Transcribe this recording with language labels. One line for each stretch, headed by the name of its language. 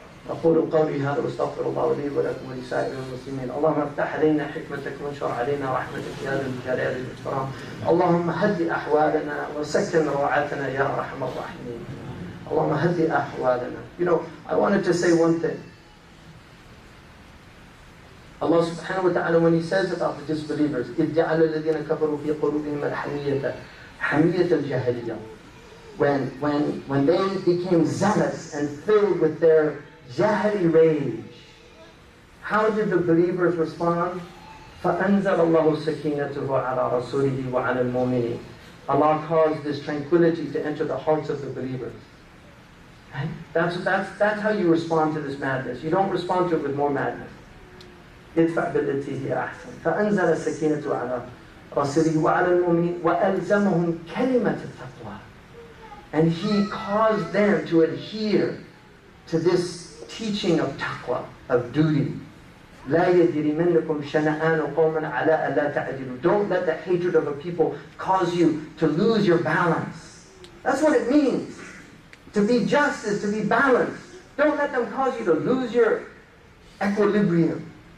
Arabic: أقول قولي هذا واستغفر الله لي ولكم ولسائر المسلمين. اللهم افتح علينا حكمتك وانشر علينا رحمتك يا ذا الجلال والإكرام. اللهم هدي أحوالنا وسكن روعاتنا يا أرحم الراحمين. اللهم هدي أحوالنا.
English: You know, I wanted to say one thing. Allah subhanahu wa ta'ala, when He says about the disbelievers,
Arabic: إِدْجَعَلَ الَّذِينَ كَفَرُوا فِي قُلُوبِهِمَ الْحَمِيَّةَ حَمِيَّةَ الْجَهَلِيَّةَ
English: When they became zealous and filled with their jahili rage, how did the believers respond?
Arabic: فَأَنْزَلَ اللَّهُ سَكِينَتُهُ عَلَى رَسُولِهِ وَعَلَى الْمُؤْمِنِينَ
English: Allah caused this tranquility to enter the hearts of the believers. That's how you respond to this madness. You don't respond to it with more madness.
Arabic: ادفع بالتي هي احسن فانزل السكينه على رسله وعلى المؤمنين والزمهم كلمه التقوى
English: and he caused them to adhere to this teaching of taqwa of duty
Arabic: لا يجرمنكم شنآن قوم على الا تعدلوا
English: don't let the hatred of a people cause you to lose your balance that's what it means to be just is to be balanced don't let them cause you to lose your equilibrium